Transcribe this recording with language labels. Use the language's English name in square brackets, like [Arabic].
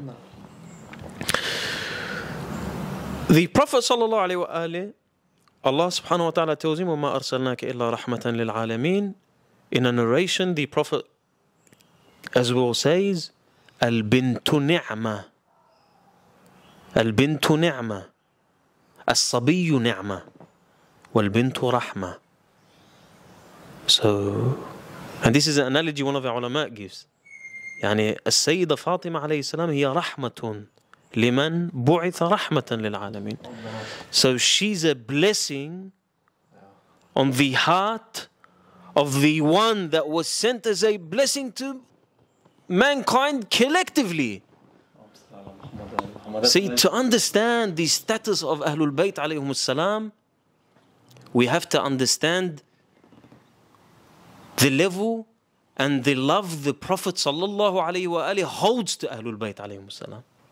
[English] No. The Prophet sallallahu alayhi wa alayhi, Allah subhanahu wa ta'ala tells him, [Arabic] وَمَا أَرْسَلْنَاكَ إِلَّا رَحْمَةً لِلْعَالَمِينَ. [English] In a narration, the Prophet as well says, [Arabic] الْبِنْتُ نِعْمَةً. البنت نعمة الصبي نعمة والبنت رحمة. [English] So, and this is an analogy one of the ulama gives. [Arabic] يعني السيدة فاطمة عليه السلام هي رحمة لمن بعث رحمة للعالمين. [English] So she's a blessing on the heart of the one that was sent as a blessing to mankind collectively. See, to understand the status of Ahlul Bayt alayhum salam, we have to understand the level and the love the Prophet sallallahu alayhi wa alayhi holds to Ahlul Bayt alayhum salam.